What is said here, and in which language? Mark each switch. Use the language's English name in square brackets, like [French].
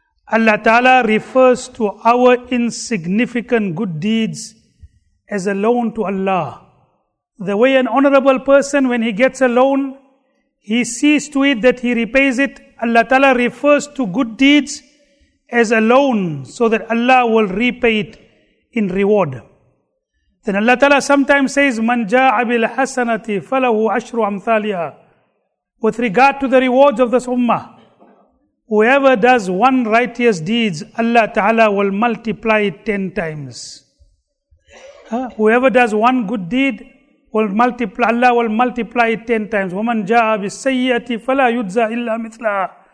[English] Allah Ta'ala refers to our insignificant good deeds as a loan to Allah. The way an honorable person, when he gets a loan, he sees to it that he repays it. Allah Ta'ala refers to good deeds as a loan so that Allah will repay it in reward. [Arabic] Then Allah Ta'ala sometimes says, مَنْ جَاعَ بِالْحَسَنَةِ فَلَهُ عَشْرُ أَمْثَالِهَا. [English] With regard to the rewards of this ummah, whoever does one righteous deeds, Allah Ta'ala will multiply it 10 times. Whoever does one good deed, Allah will multiply it 10 times. [Arabic] وَمَنْ جَاءَ بِالسَّيِّئَةِ فَلَا يُجْزَى إِلَّا مِثْلَهَا.